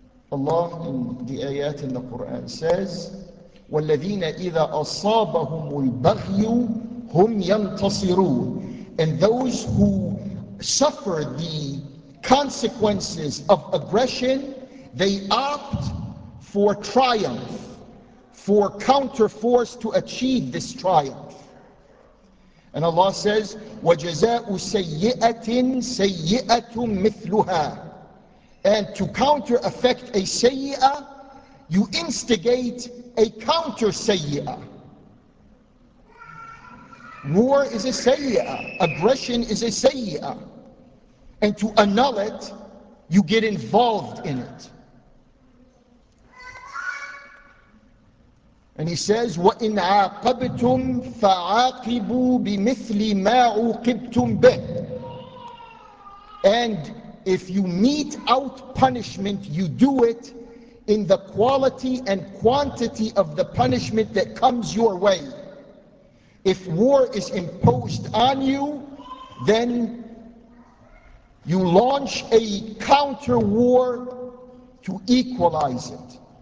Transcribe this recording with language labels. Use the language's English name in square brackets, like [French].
[English] Allah in the ayat in the Quran says, [Arabic] وَالَّذِينَ إِذَا أَصَابَهُمُ الْبَغْيُ هُمْ يَنْتَصِرُونَ. [English] And those who suffer the consequences of aggression, They opt for triumph, for counterforce to achieve this triumph. And Allah says, [Arabic] وَجَزَاءُ سَيِّئَةٍ سَيِّئَةٌ مِثْلُهَا. [English] And to counter effect a sayyi'ah, you instigate a counter sayyi'ah. War is a sayyi'ah. Aggression is a sayyi'ah. And to annul it, you get involved in it. And he says, [Arabic] وَإِنْ عَاقَبْتُمْ فَعَاقِبُوا بِمِثْلِ مَا عُوقِبْتُمْ بِهِ. [English] And if you mete out punishment, you do it in the quality and quantity of the punishment that comes your way. If war is imposed on you, then you launch a counter war to equalize it.